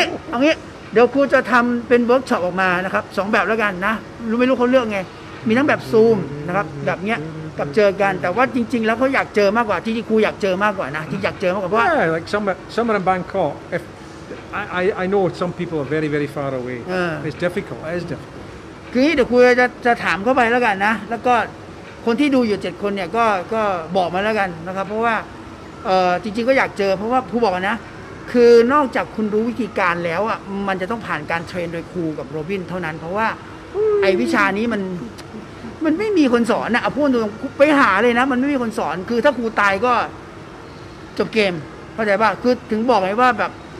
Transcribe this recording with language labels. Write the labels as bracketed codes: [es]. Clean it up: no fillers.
[th] เอางี้ เดี๋ยวครูจะทำเป็น workshop ออกมานะครับ สองแบบแล้วกันนะ รู้ไม่รู้เขาเลือกไง มีทั้งแบบ Zoom นะครับ แบบเนี้ยกับเจอกันแต่ว่าจริงๆแล้วเขาอยากเจอมากกว่าที่ครูอยากเจอมากกว่านะที่อยากเจอมากกว่า ใช่ [en] like somewhere in Bangkok if I know some people are very very far away it's difficult it is difficult [th] คือเดี๋ยวครูจะถามเข้าไปแล้วกันนะแล้วก็คนที่ดูอยู่7คนเนี่ยก็บอกมาแล้วกันนะครับเพราะว่าจริงๆก็อยากเจอเพราะว่าครูบอกนะคือนอกจากคุณรู้วิธีการแล้วอ่ะมันจะต้องผ่านการเทรนโดยครูกับโรบินเท่านั้นเพราะว่าไอ้วิชานี้มันไม่มีคนสอนนะพูดตรงไปหาเลยนะมันไม่มีคนสอนคือถ้าครูตายก็จบเกมเข้าใจป่ะคือถึงบอกไงว่าแบบ